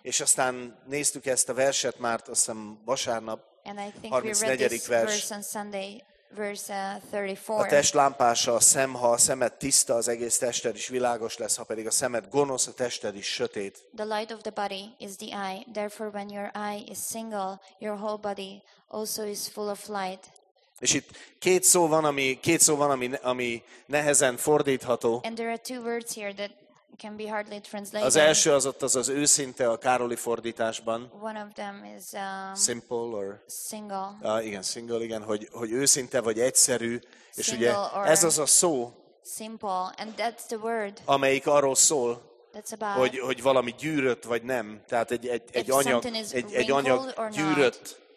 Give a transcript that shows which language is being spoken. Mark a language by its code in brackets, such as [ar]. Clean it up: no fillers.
[hu] És aztán néztük ezt a verset már, azt hiszem, vasárnap, [en] and I think [hu] 34. [en] we read this verse on Sunday. 34. [hu] A test lámpása a szem, ha a szemed tiszta, az egész tested is világos lesz, ha pedig a szemed gonosz, a tested is sötét. [en] The light of the body is the eye. Therefore, when your eye is single, your whole body also is full of light. [hu] És itt két szó van, ami nehezen fordítható. [en] And there are two words here that can be hardly translated. [hu] Az első az ott az őszinte a Károli fordításban. [en] One of them is simple or single. [hu] Igen, hogy őszinte vagy egyszerű, és ugye ez az a szó. [en] Simple, and that's the word. [hu] Amelyik arról szól, hogy valami gyűrött vagy nem, tehát egy anyag gyűrött.